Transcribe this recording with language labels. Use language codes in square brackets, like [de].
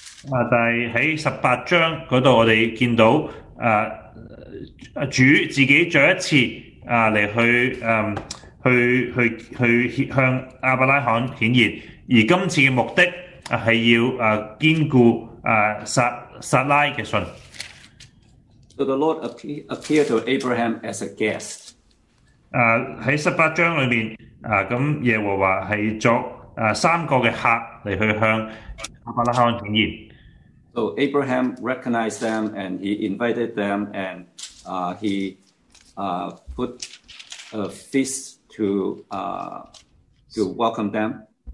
[zh] 但是在18章那裡, 我們看到, 主自己再一次, 來去, 去向亞伯拉罕顯現, 而今次的目的, 是要, 堅固, 撒拉的信。 [en] So the Lord appeared to Abraham as a guest. [zh] 在18章裡面, 耶和華是作, 三個的客來去向亞伯拉罕顯現。 [en] So Abraham recognized them and he invited them and he put a feast to welcome them.